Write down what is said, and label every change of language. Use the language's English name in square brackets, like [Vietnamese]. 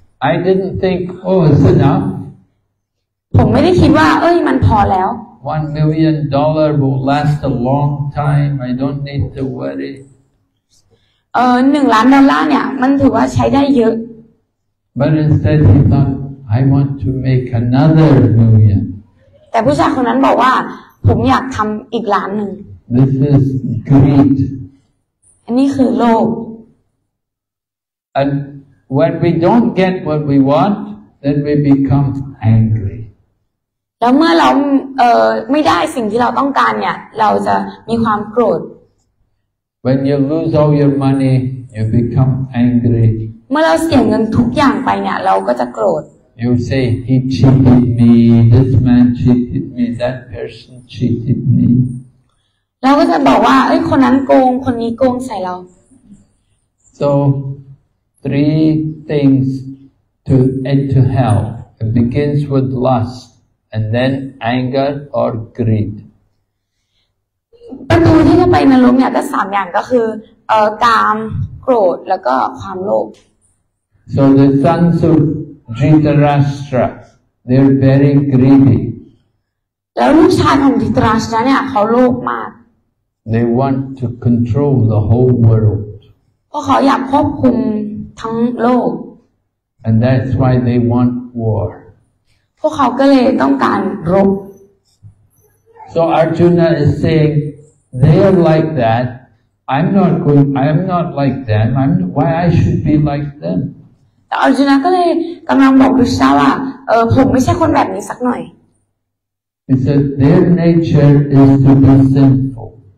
[English] I didn't think, oh, it's enough. [Thai] ผมไม่ได้คิดว่าเอ้ยมันพอแล้ว [English] $1 million will last a long time. I don't need to worry. [Thai] $1 million เนี่ยมันถือว่าใช้ได้เยอะ [English] But instead, he thought, I want to make $1 million. [Thai] แต่ผู้ชายคนนั้นบอกว่าผมอยากทำอีกล้านหนึ่ง [English] This is greed. [Thai] อันนี้คือโลภ [English] And when we don't get what we want, then we become angry. [Thai] แล้วเมื่อเราไม่ได้สิ่งที่เราต้องการเนี่ยเราจะมีความโกรธ [English] When you lose all your money you become angry [Thai] เมื่อเราเสียเงินทุกอย่างไปเนี่ยเราก็จะโกรธ [English] You say he cheated me this man cheated me that person cheated me [Thai] เราก็จะบอกว่าเอ้ยคนนั้นโกงคนนี้โกงใส่เรา [English] So 3 things to enter hell it begins with lustAnd then anger or greed. [Thai] ประตูที่จะไปนรกเนี่ยก็สามอย่างก็คือกามโกรธแล้วก็ความโลภ [English] So the sons of Dhritarashtra, they're very greedy. [Thai] แล้วลูกชายของ Dhritarashtra เนี่ยเขาโลภมาก [English] They want to control the whole world. [Thai] เพราะเขาอยากควบคุมทั้งโลก [English] And that's why they want war. [Thai] พวกเขาก็เลยต้องการรบ [English] So Arjuna is saying they are like that I'm not going I am not like them I'm why I should be like them [Thai] Arjuna ก็เลยกำลังบอกดุษฎาว่าผมไม่ใช่คนแบบนี้สักหน่อย [English] He said their nature is to be sinful